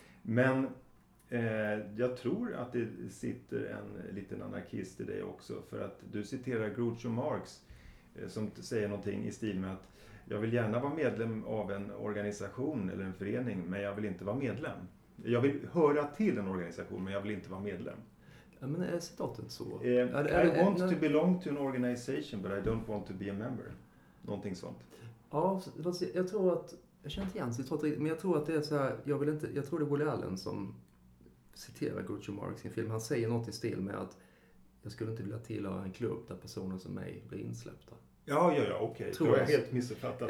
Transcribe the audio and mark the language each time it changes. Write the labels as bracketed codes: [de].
[sv] Men jag tror att det sitter en liten anarkist i dig också, för att du citerar Groucho Marx som säger någonting i stil med att jag vill gärna vara medlem av en organisation eller en förening, men jag vill inte vara medlem. Jag vill höra till en organisation, men jag vill inte vara medlem. Men är citatet så? [en] I want to belong to an organization, but I don't want to be a member. [sv] Någonting sånt. Ja, jag tror att, jag känner inte igen citatet, men jag tror att det är så här, jag tror det är Woody Allen som citerar Groucho Marx i en film. Han säger något i stil med att jag skulle inte vilja tillhöra en klubb där personer som mig blir insläppta. Ja, okej. Okay. Då har jag helt missuppfattat.